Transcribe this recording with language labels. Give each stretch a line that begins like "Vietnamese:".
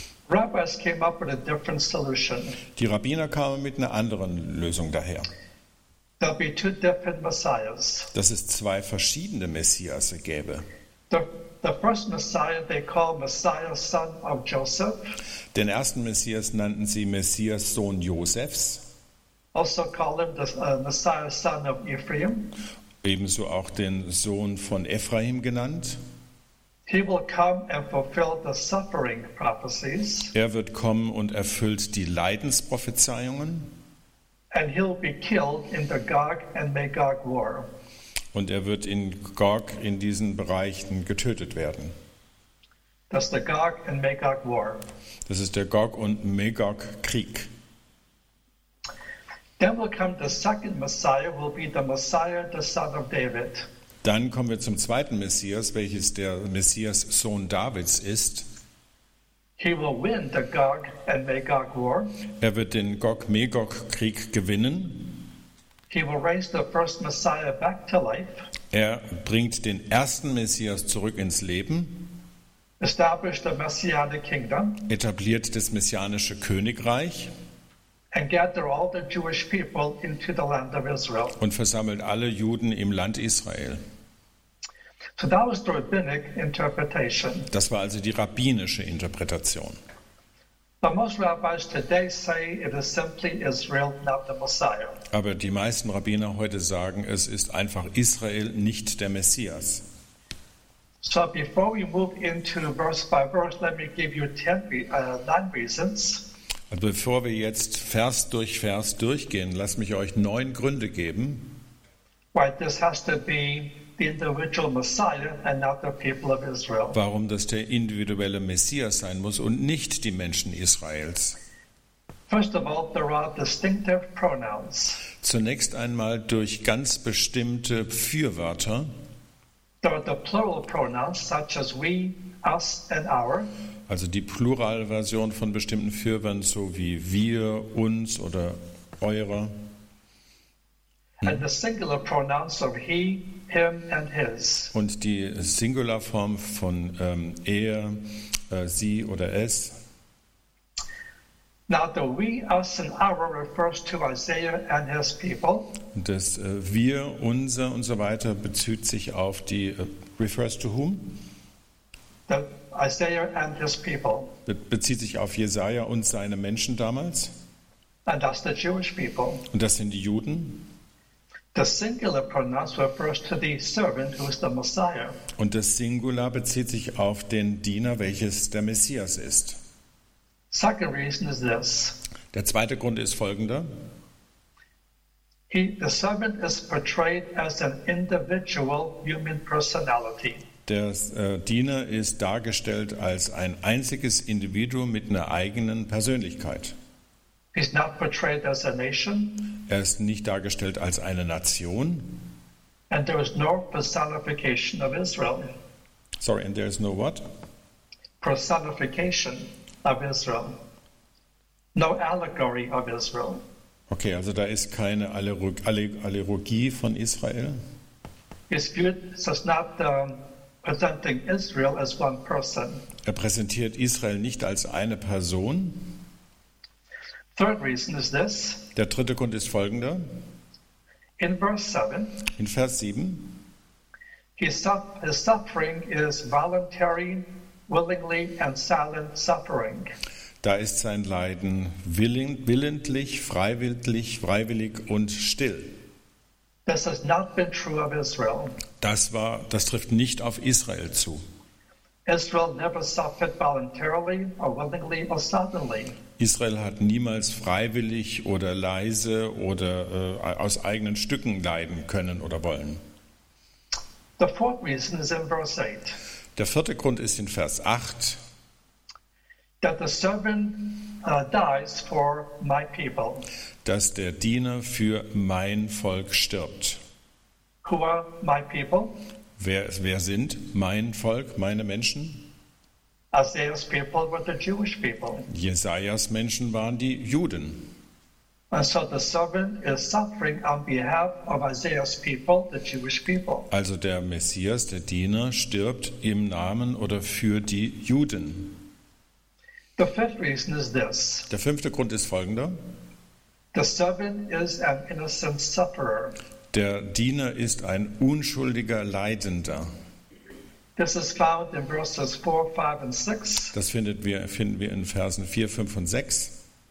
English: Rabbis came up with a different solution.
German: Die Rabbiner kamen mit einer anderen Lösung daher.
English: There'll be two different messiahs.
German: Dass es zwei verschiedene Messias gäbe.
English: The first Messiah they call Messiah, son of Joseph.
German: Den ersten Messias nannten sie Messias, Sohn Josefs.
English: Also called him the Messiah, son of Ephraim.
German: Ebenso auch den Sohn von Ephraim genannt.
English: He will come and fulfill the suffering prophecies.
German: Er wird kommen und erfüllt die Leidensprophezeiungen.
English: And he'll be killed in the Gog and Magog war.
German: Und er wird in Gog, in diesen Bereichen, getötet werden.
English: That's the Gog and Magog war.
German: Das ist der Gog und Magog Krieg.
English: Then will come the second Messiah, will be the Messiah, the son of David.
German: Dann kommen wir zum zweiten Messias, welches der Messias Sohn Davids ist.
English: He will win the Gog and Magog war.
German: Er wird den Gog-Magog Krieg gewinnen.
English: He will raise the first Messiah back to life.
German: Er bringt den ersten Messias zurück ins Leben.
English: Establish the Messianic kingdom.
German: Etabliert das messianische Königreich.
English: and gather all the Jewish people into the land of Israel.
German: Und versammelt alle Juden im Land Israel.
English: So that was the rabbinic interpretation.
German: Das war also die rabbinische Interpretation.
English: But most rabbis today say it is simply Israel, not the Messiah.
German: Aber die meisten Rabbiner heute sagen, es ist einfach Israel, nicht der Messias.
English: So before we move into verse by verse, let me give you 9 reasons.
German: Und bevor wir jetzt Vers durch Vers durchgehen, lass mich euch 9 Gründe geben.
English: Why this has to be the individual Messiah and not the people of Israel.
German: Warum das der individuelle Messias sein muss und nicht die Menschen Israels.
English: First of all, there are distinctive pronouns.
German: Zunächst einmal durch ganz bestimmte Fürwörter.
English: There are the plural pronouns, such as we, us and our.
German: Also die Pluralversion von bestimmten Fürwörtern, so wie wir, uns oder eure.
English: And the singular pronouns of he, him and his.
German: Und die Singularform von sie oder es.
English: Now the we, us and our refers to Isaiah and his people.
German: Das wir, unser und so weiter bezieht sich auf die
English: refers to whom? The Isaiah and his people.
German: Das bezieht sich auf Jesaja und seine Menschen damals.
English: And that's the Jewish people.
German: Und das sind die Juden.
English: The singular pronoun refers to the servant who is the Messiah.
German: Und das Singular bezieht sich auf den Diener, welches der Messias ist.
English: Second reason is this.
German: Der zweite Grund ist folgender.
English: The servant is portrayed as an individual human personality.
German: Der Diener ist dargestellt als ein einziges Individuum mit einer eigenen Persönlichkeit.
English: He's not portrayed as a nation.
German: Er ist nicht dargestellt als eine Nation.
English: And there is no personification of Israel. Sorry, and there is no what? Personification. Of Israel. No allegory of Israel.
German: Okay, also da ist keine Allegorie von Israel.
English: It's viewed, so it's not presenting Israel as one person.
German: Er präsentiert Israel nicht als eine Person.
English: Third reason is this.
German: Der dritte Grund ist folgender.
English: In verse 7.
German: In Vers 7.
English: His suffering is voluntary. Willingly and silent suffering.
German: Da ist sein Leiden willentlich, freiwillig und still.
English: This has not been true of Israel.
German: Das trifft nicht auf Israel zu.
English: Israel never suffered voluntarily or willingly or suddenly.
German: Israel hat niemals freiwillig oder leise oder aus eigenen Stücken leiden können oder wollen.
English: The fourth reason is in verse 8.
German: Der vierte Grund ist in Vers 8.
English: That the servant, dies for my people.
German: Dass der Diener für mein Volk stirbt.
English: Who are my people?
German: Wer sind mein Volk, meine Menschen?
English: Isaiah's people were the Jewish people.
German: Jesajas Menschen waren die Juden.
English: So the servant is suffering on behalf of Isaiah's people, the Jewish people.
German: Also der Messias, der Diener, stirbt im Namen oder für die Juden.
English: The fifth reason is this.
German: Der fünfte Grund ist folgender.
English: The servant is an innocent sufferer.
German: Der Diener ist ein unschuldiger Leidender.
English: This is found in verses 4, 5 and 6.
German: Das finden wir in Versen 4, 5 und 6.